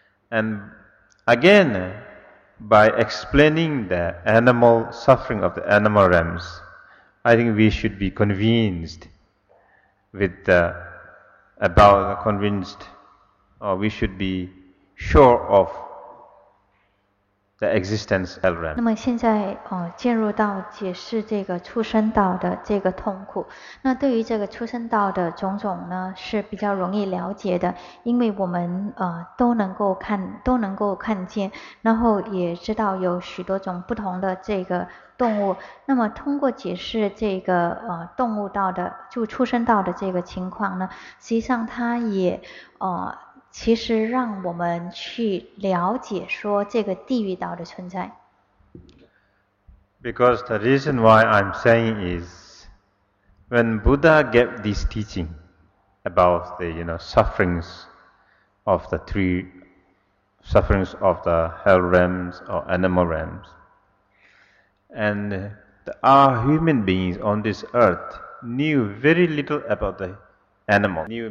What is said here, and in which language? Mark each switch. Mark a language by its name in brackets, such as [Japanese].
[English] And again, by explaining the animal suffering of the animal realms, I think we should be convinced with theabout convinced, or we should be sure of the existence of hell realm. [Chinese] 那么现在进入到解释这个畜生道的这个痛苦，那对于这个畜生道的种种呢是比较容易了解的，因为我们都能够看见，然后也知道有许多种不同的这个动物。那么通过解释这个动物道的就畜生道的这个情况呢，实际上它也其实让我们去了解说这个地狱道的存在。 [English] Because the reason why I'm saying is when Buddha gave this teaching about the sufferings of the hell realms or animal realmsAnd our human beings on this earth knew very little about the animal.